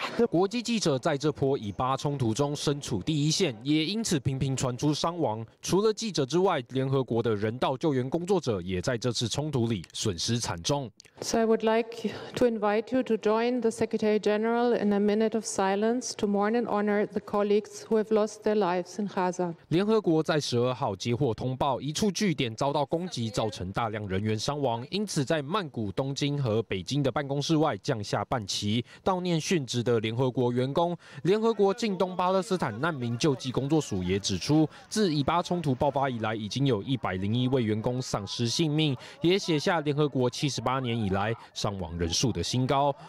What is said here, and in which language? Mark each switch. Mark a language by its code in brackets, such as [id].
[zh] 国际记者在这波以巴冲突中身处第一线，也因此频频传出伤亡。除了记者之外，联合国的人道救援工作者也在这次冲突里损失惨重。 [en] So I would like to invite you to join the Secretary General in a minute of silence to mourn and honor the colleagues who have lost their lives in Gaza. [zh] 联合国在12号接获通报，一处据点遭到攻击，造成大量人员伤亡，因此在曼谷、东京和北京的办公室外降下半旗，悼念殉职的联合国员工。联合国近东巴勒斯坦难民救济工作署也指出，自以巴冲突爆发以来，已经有101位员工丧失性命，也写下联合国78年以来伤亡人数的新高。